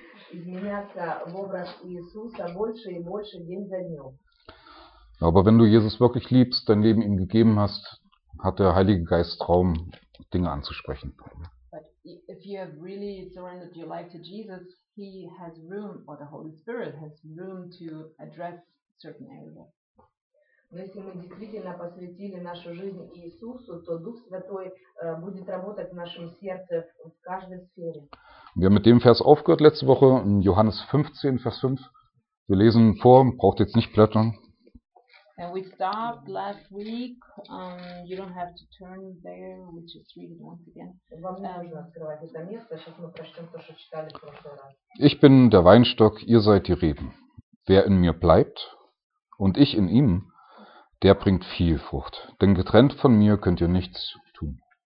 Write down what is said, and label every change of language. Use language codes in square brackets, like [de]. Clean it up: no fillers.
[ru] Изменяться в образ Иисуса больше и больше день за днем. [de] Aber wenn du Jesus wirklich liebst, dein Leben ihm gegeben hast, hat der Heilige Geist Raum, Dinge anzusprechen. [en] But if you have really surrendered your life to Jesus, he has room, or the Holy Spirit has room to address certain areas. [ru] Но если мы действительно посвятили нашу жизнь Иисусу, то Дух Святой будет работать в нашем сердце в каждой сфере. [de] Wir haben mit dem Vers aufgehört letzte Woche, in Johannes 15, Vers 5. Wir lesen vor, braucht jetzt nicht blättern. [en] And we stopped last week. You don't have to turn there, we just read it once again. [ru] Вам не нужно открывать это место, сейчас мы прочтем то, что читали в прошлый раз. [de] Ich bin der Weinstock, ihr seid die Reben. Wer in mir bleibt und ich in ihm, der bringt viel Frucht, denn getrennt von mir könnt ihr nichts tun.